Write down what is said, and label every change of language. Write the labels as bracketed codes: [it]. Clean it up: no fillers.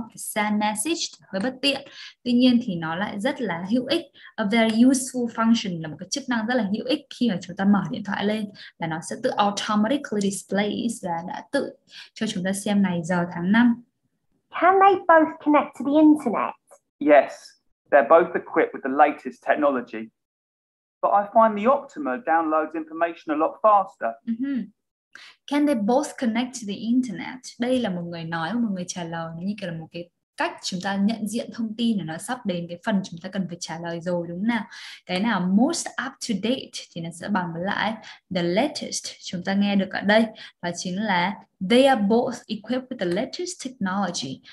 [vi] To send message hơi bất tiện. Tuy nhiên thì nó lại rất là hữu ích. [en] A very useful function [vi] là một cái chức năng rất là hữu ích khi mà chúng ta mở điện thoại lên là nó sẽ tự automatically displays và đã tự cho chúng ta xem này giờ tháng năm. [en] Can they both connect to the internet? Yes, they're both equipped with the latest technology. But I find the Optima downloads information a lot faster. Can they both connect to the internet? [vi] Đây là một người nói, một người trả lời. Như kiểu là một cái cách chúng ta nhận diện thông tin là nó sắp đến cái phần chúng ta cần phải trả lời rồi, đúng nào? Cái nào most up to date thì nó sẽ bằng với lại the latest chúng ta nghe được ở đây. Và chính là [en] they are both equipped with the latest technology.